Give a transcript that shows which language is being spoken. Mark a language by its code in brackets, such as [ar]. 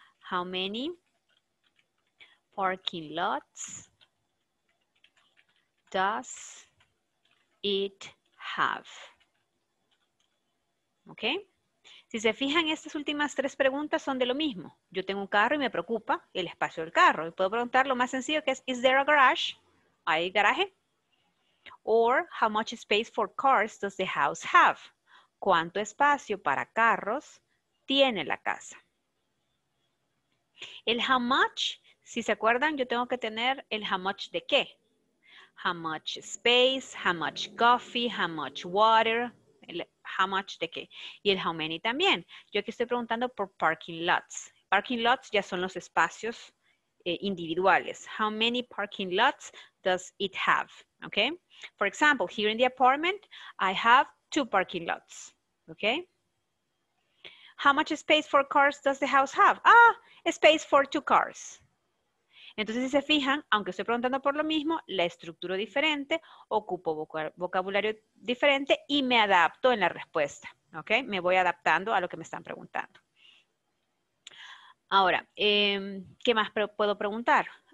[en] How many parking lots does it have? ¿Ok? [es] Si se fijan, estas últimas 3 preguntas son de lo mismo. Yo tengo un carro y me preocupa el espacio del carro. Y puedo preguntar lo más sencillo que es, [en] is there a garage? [es] ¿Hay garaje? Or, how much space for cars does the house have? ¿Cuánto espacio para carros tiene la casa? El how much, si se acuerdan, yo tengo que tener el how much de qué. [en] How much space, how much coffee, how much water, el how much de qué. [es] Y el how many también. Yo aquí estoy preguntando por parking lots. Parking lots ya son los espacios individuales. [en] How many parking lots does it have? Okay. For example, here in the apartment, I have 2 parking lots. Okay. How much space for cars does the house have? Ah, space for 2 cars. [es] Entonces, si se fijan, aunque estoy preguntando por lo mismo, la estructura diferente, ocupo vocabulario diferente y me adapto en la respuesta. ¿Ok? Me voy adaptando a lo que me están preguntando. Ahora, ¿qué más puedo preguntar?